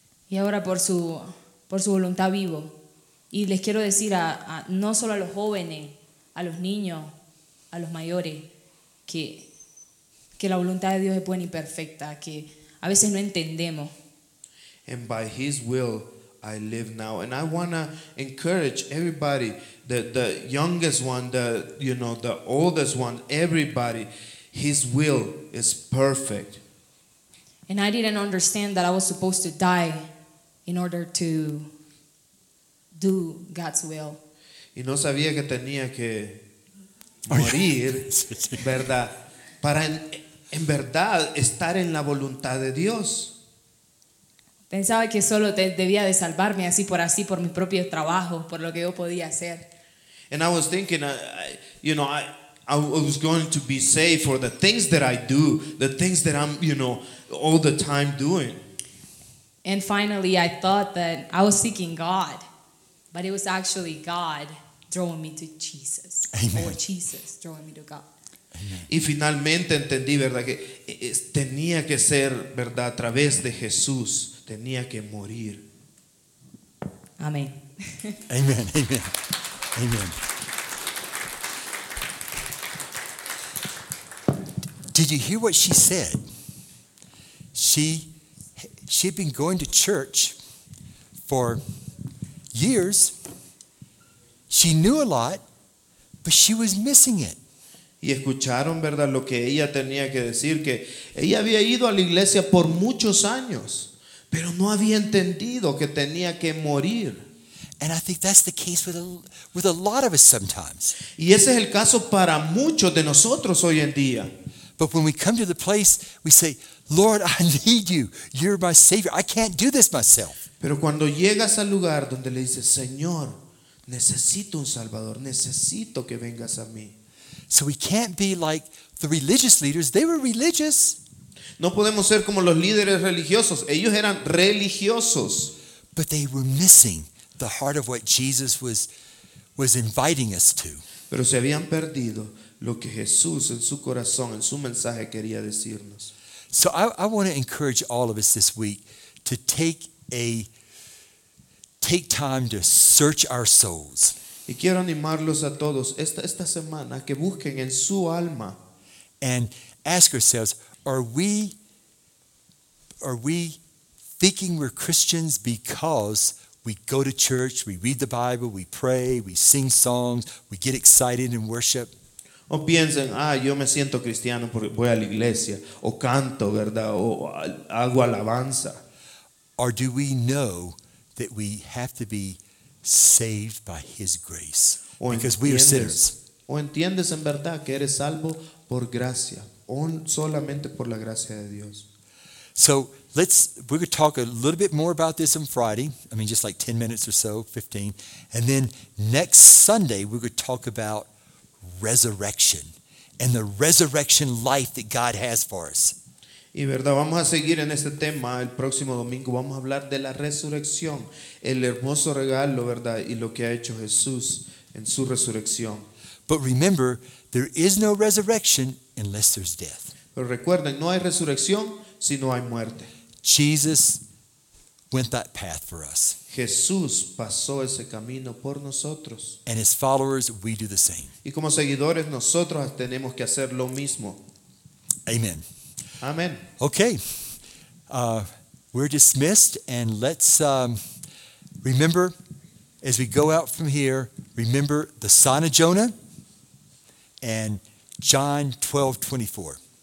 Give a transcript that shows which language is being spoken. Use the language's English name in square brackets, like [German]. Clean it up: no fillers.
[Spanish] Y ahora por su voluntad vivo. Y les quiero decir a no solo a los jóvenes, a los niños, a los mayores, que la voluntad de Dios es buena y perfecta, que a veces no entendemos. [English] And by His will I live now. And I want to encourage everybody, the youngest one, the oldest one, everybody, His will is perfect. And I didn't understand that I was supposed to die in order to do God's will. [Spanish] Y no sabía que tenía que morir, ¿verdad? Para en verdad estar en la voluntad de Dios. Pensaba que solo debía de salvarme así por así, por mi propio trabajo, por lo que yo podía hacer. [English] And I was thinking, I was going to be saved for the things that I do, the things that I'm, you know, all the time doing. And finally, I thought that I was seeking God, but it was actually God drawing me to Jesus. Amen. Or Jesus drawing me to God. [Spanish] Y finalmente entendí, ¿verdad?, que tenía que ser, ¿verdad?, a través de Jesús. Tenía que morir. Amén. [English] Amen, amen, amen. Did you hear what she said? She'd been going to church for years. She knew a lot, but she was missing it. [Spanish] Y escucharon, ¿verdad?, lo que ella tenía que decir, que ella había ido a la iglesia por muchos años, pero no había entendido que tenía que morir. [English] And I think that's the case with a lot of us sometimes. [Spanish] Y ese es el caso para muchos de nosotros hoy en día. [English] But when we come to the place, we say, Lord, I need you. You're my Savior. I can't do this myself. [Spanish] Pero cuando llegas al lugar donde le dices, Señor, necesito un Salvador, necesito que vengas a mí. [English] So we can't be like the religious leaders. They were religious. [Spanish] No podemos ser como los líderes religiosos. Ellos eran religiosos. [English] But they were missing the heart of what Jesus was inviting us to. [Spanish] Pero se habían perdido lo que Jesús en su corazón, en su mensaje quería decirnos. [English] So I want to encourage all of us this week to take time to search our souls. [Spanish] Y quiero animarlos a todos esta semana que busquen en su alma. [English] And ask ourselves, are we thinking we're Christians because we go to church, we read the Bible, we pray, we sing songs, we get excited in worship? [Spanish] O piensen, yo me siento cristiano porque voy a la iglesia, o canto, ¿verdad?, o hago alabanza. [English] Or do we know that we have to be saved by His grace, because we are sinners? [Spanish] ¿O entiendes en verdad que eres salvo por gracia, o solamente por la gracia de Dios? [English] So we could talk a little bit more about this on Friday. I mean, just like 10 minutes or so, 15. And then next Sunday, we could talk about resurrection and the resurrection life that God has for us. [Spanish] Y verdad, vamos a seguir en este tema el próximo domingo. Vamos a hablar de la resurrección, el hermoso regalo, verdad, y lo que ha hecho Jesús en su resurrección. [English] But remember, there is no resurrection unless there's death. [Spanish] Pero recuerden, no hay resurrección si no hay muerte. [English] Jesus went that path for us. [Spanish] Jesús pasó ese camino por nosotros. [English] And his followers, we do the same. [Spanish] Y como seguidores, nosotros tenemos que hacer lo mismo. [English] Amen. Amen. Okay. We're dismissed, and let's remember, as we go out from here, remember the sign of Jonah and John 12:24.